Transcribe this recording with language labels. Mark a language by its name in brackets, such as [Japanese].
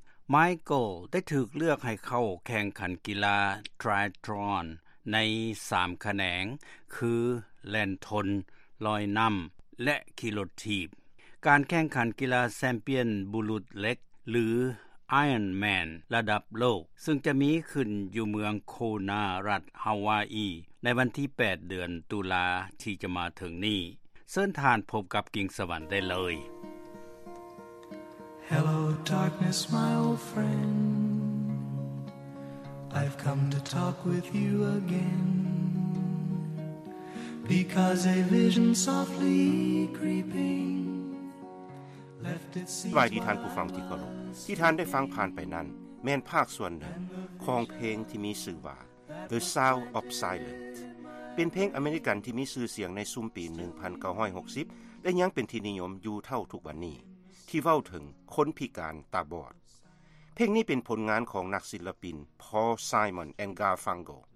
[Thai] ไมเคิลได้ถูกเลือกให้เข้าแข่งขันกีฬาไตรแทลอนใน3แขนงคือแล่นทนลอยน้ำและขี่รถถีบการแข่งขันกีฬาแชมเปี้ยนบุรุษเล็กหรือไอรอนแมนระดับโลกซึ่งจะมีขึ้นอยู่เมืองโคนารัฐฮาวายในวันที่8เดือนตุลาที่จะมาถึงนี้เชิญทานพบกับกิ่งสวรรค์ได้เลย [English] Hello darkness my old friend I've come to talk with you again Because a vision softly creeping Left its seeds [Thai] สวัสดีท่านผู้ฟังที่เคารพที่ท่านได้ฟังผ่านไปนั้นแม่นภาคส่วนหนึ่งของเพลงที่มีชื่อว่า The Sound of Silenceเป็นเพลงอเมริกันที่มีชื่อเสียงในซุมปี1960และยังเป็นที่นิยมอยู่เท่าทุกวันนี้ที่เว้าถึงคนพิการตาบอดเพลงนี้เป็นผลงานของนักศิลปินพอลไซมอนแอนด์การ์ฟังโก